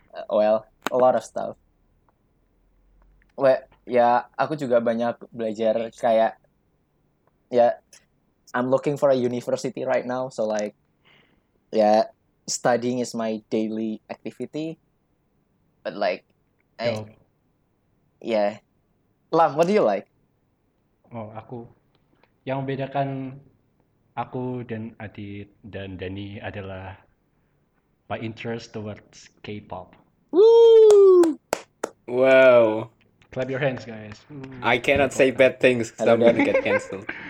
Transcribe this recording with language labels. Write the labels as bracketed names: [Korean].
[English] Well, a lot of stuff. Well, ya, [Indonesian] aku juga banyak belajar kayak... [English] Yeah, I'm looking for a university right now, so like... Yeah... Studying is my daily activity, but like, Lam, what do you like? [Indonesian] Oh, aku, yang membedakan aku dan Adit dan Dani adalah [English] my interest towards K-pop. Woo! Wow! Clap your hands, guys. I cannot K-pop. Say bad things because I'm gonna get canceled.